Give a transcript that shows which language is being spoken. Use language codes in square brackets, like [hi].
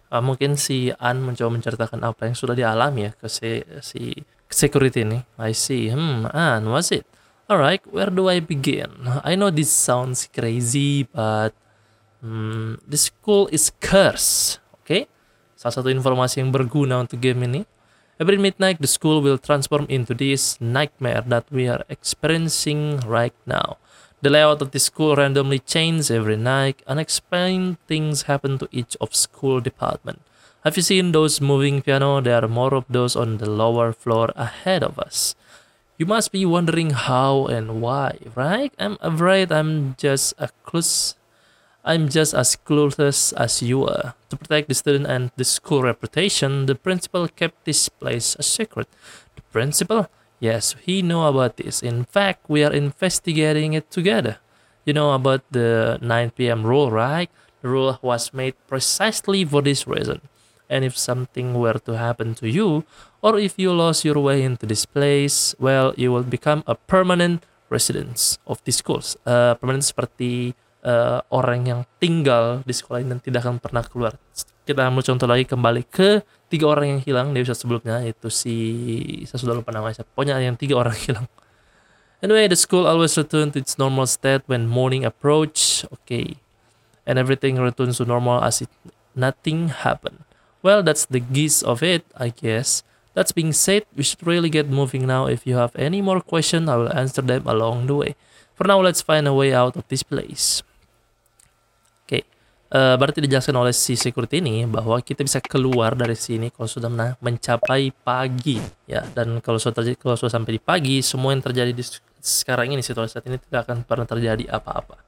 [id] Mungkin si An mencoba menceritakan apa yang sudah dialami ya ke si security ini. [en] I see. An, was it? Alright, where do I begin? I know this sounds crazy, but this school is cursed. Okay? [id] Salah satu informasi yang berguna untuk game ini. [en] Every midnight, the school will transform into this nightmare that we are experiencing right now. The layout of the school randomly changes every night. Unexplained things happen to each of school department. Have you seen those moving piano? There are more of those on the lower floor ahead of us. You must be wondering how and why, right? I'm afraid I'm just as clueless as you are. To protect the student and the school reputation, the principal kept this place a secret. The principal? Yes, he know about this. In fact, we are investigating it together. You know about the 9 PM rule, right? The rule was made precisely for this reason. And if something were to happen to you, or if you lost your way into this place, well, you will become a permanent resident of this school. [id] Permanent seperti orang yang tinggal di sekolah ini dan tidak akan pernah keluar. Kita ambil contoh lagi kembali ke 3 orang yang hilang di episode sebelumnya, yaitu si, saya sudah lupa namanya, pokoknya yang 3 orang hilang. [en] Anyway, the school always returns to its normal state when morning approach, okay. And everything returns to normal as if nothing happened. Well, that's the gist of it, I guess. That's being said, we should really get moving now. If you have any more questions, I will answer them along the way. For now, let's find a way out of this place. [id] Berarti dijelaskan oleh si security ini bahwa kita bisa keluar dari sini kalau sudah mencapai pagi ya, dan kalau sudah sampai di pagi, semua yang terjadi di sekarang ini, situasi saat ini, tidak akan pernah terjadi apa-apa.